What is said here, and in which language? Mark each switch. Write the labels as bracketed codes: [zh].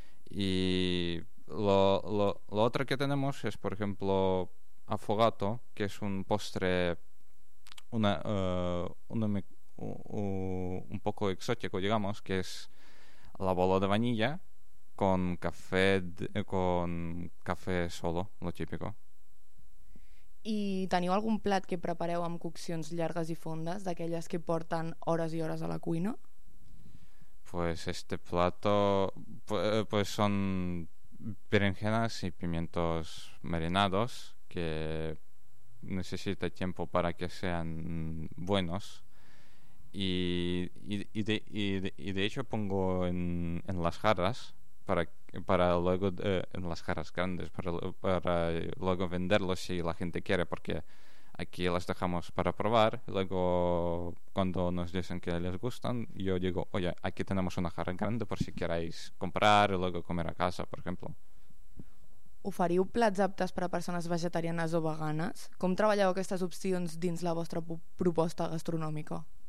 [es] Y lo otro que tenemos es, por ejemplo, afogato, que es un postre un poco exótico, digamos, que es la bola de vainilla con café solo, lo típico. [ca] I teniu algun plat que prepareu amb coccions llargues i fondes, d'aquelles que porten hores i hores a la cuina? [es] Pues este plato, pues son berenjenas y pimientos marinados, que necesita tiempo para que sean buenos. Y de hecho pongo en las jarras para luego en las jarras grandes para luego venderlos si la gente quiere, porque aquí las dejamos para probar. Luego, cuando nos dicen que les gustan, yo digo: oye, aquí tenemos una jarra grande por si queráis comprar y luego comer a casa, por ejemplo. [ca] ¿Oferiu plats aptes per a persones vegetarianes o veganes? ¿Com treballeu aquestes opcions dins la vostra proposta gastronòmica?